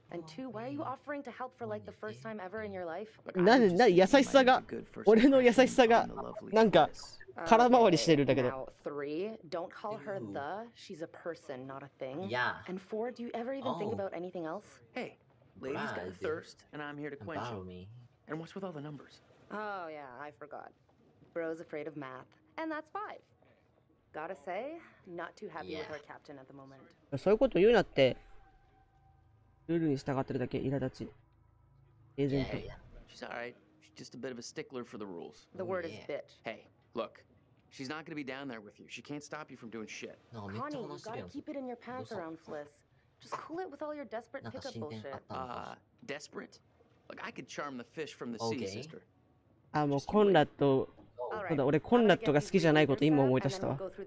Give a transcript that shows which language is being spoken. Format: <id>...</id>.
<en>And two, why are you offering to help for like the first time ever in your life?</en> <ja>なんで、な、優しさが、俺の優しさが、なんか。空回りしてるんだけど。</ja> <en>3. Don't call her the. She's a person, not a thing. Yeah. And 4. Do you ever even think about anything else? Hey, ladies got thirst, and I'm here to quench it. And what's with all the numbers? Oh yeah, I forgot. Bro's afraid of math, and that's 5. Gotta say, not too happy with our captain at the moment.</en> <ja>そういうこと言うなって。ルールに従ってるだけ苛立ち。エージェント。</ja> <en>She's all right. She's just a bit of a stickler for the rules. The word is bitch. Hey. Look, she's not gonna be down there with you. She can't stop you from doing shit. Connie, you gotta keep it in your pants around Fliss. Just cool it with all your desperate pickup bullshit. Desperate? Look, I could charm the fish from the sea, sister.</en> <ja>あ、もうコンラッド。ただ俺コンラッドが好きじゃないこと今思い出したわ。</ja>